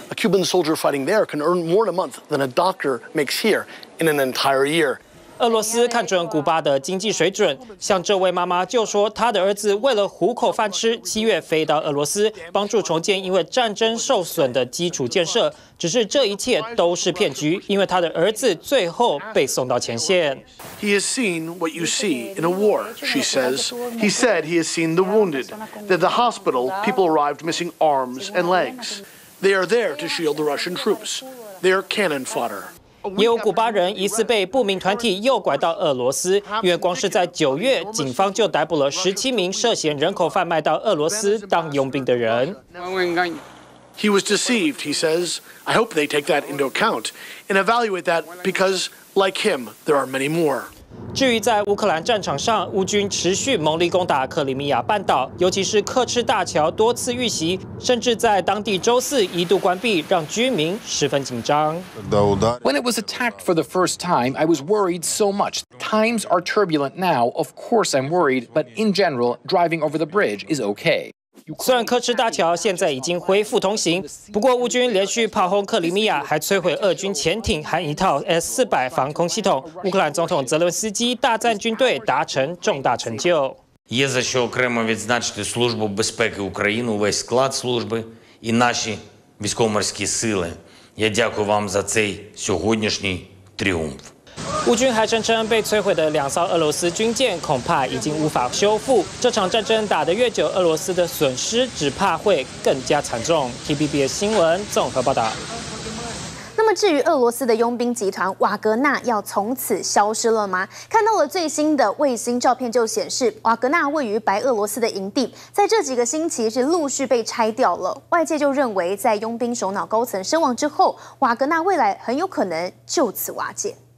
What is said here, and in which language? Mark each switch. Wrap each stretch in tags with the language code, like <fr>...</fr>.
<en>A Cuban soldier fighting there can earn more in a month than a doctor makes here in an entire year.</en> <zh>俄罗斯看准古巴的经济水准，像这位妈妈就说，她的儿子为了糊口饭吃，7月飞到俄罗斯帮助重建因为战争受损的基础建设。只是这一切都是骗局，因为他的儿子最后被送到前线。</zh> <en>He has seen what you see in a war, she says. He said he has seen the wounded, that the hospital people arrived missing arms and legs. They are there to shield the Russian troops. They are cannon fodder.</en> <zh>也有古巴人疑似被不明团体诱拐到俄罗斯，因为光是在9月，警方就逮捕了17名涉嫌人口贩卖到俄罗斯当佣兵的人。</zh> <en>He was deceived, he says. I hope they take that into account and evaluate that because, like him, there are many more.</en> <zh>至于在乌克兰战场上，乌军持续猛力攻打克里米亚半岛，尤其是克赤大桥多次遇袭，甚至在当地周四一度关闭，让居民十分紧张。</zh> <en>When it was attacked for the first time, I was worried so much. Times are turbulent now, of course I'm worried, but in general, driving over the bridge is okay.</en> <zh>虽然克赤大桥现在已经恢复通行，不过乌军连续炮轰克里米亚，还摧毁俄军潜艇和一套 S-400 防空系统。乌克兰总统泽伦斯基大赞军队达成重大成就。</zh> <uk>Є за що окремо відзначити службу безпеки України, увесь склад служби і наші військово-морські сили, Я дякую вам за цей сьогоднішній тріумф.</uk> <zh>乌军还声称被摧毁的两艘俄罗斯军舰恐怕已经无法修复，这场战争打得越久，俄罗斯的损失只怕会更加惨重。TVBS新闻综合报道。那么，至于俄罗斯的佣兵集团瓦格纳要从此消失了吗？看到了最新的卫星照片，就显示瓦格纳位于白俄罗斯的营地，在这几个星期是陆续被拆掉了。外界就认为，在佣兵首脑高层身亡之后，瓦格纳未来很有可能就此瓦解。</zh>